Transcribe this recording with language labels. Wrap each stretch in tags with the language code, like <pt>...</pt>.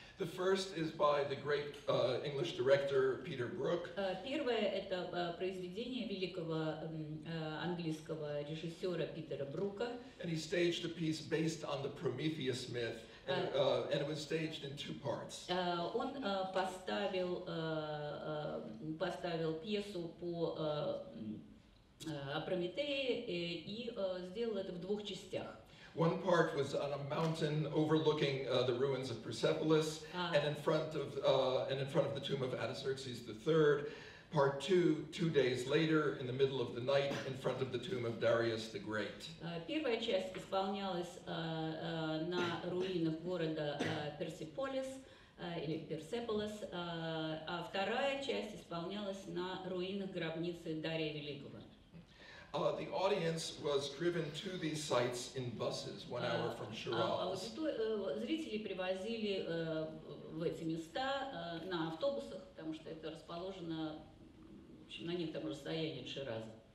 <en>The first is by the great English director Peter Brook.</en> <ru>Первое это произведение великого английского режиссера Питера Брука.</ru> <en>And he staged a piece based on the Prometheus myth, and it was staged in two parts.</en> <ru>Он поставил пьесу по Прометею и сделал это в двух частях.</ru> <en>One part was on a mountain overlooking the ruins of Persepolis, and in front of the tomb of Artaxerxes III. Part two days later, in the middle of the night, in front of the tomb of Darius the Great.</en> <ru>Первая часть исполнялась на руинах города Персеполис или Персеполис, а вторая часть исполнялась на руинах гробницы Дария Великого.</ru> <en>The audience was driven to these sites in buses, 1 hour from Shiraz.</en> <ru>Зрители привозили в эти места на автобусах, потому что это расположено на некотором расстоянии от Шираза.</ru>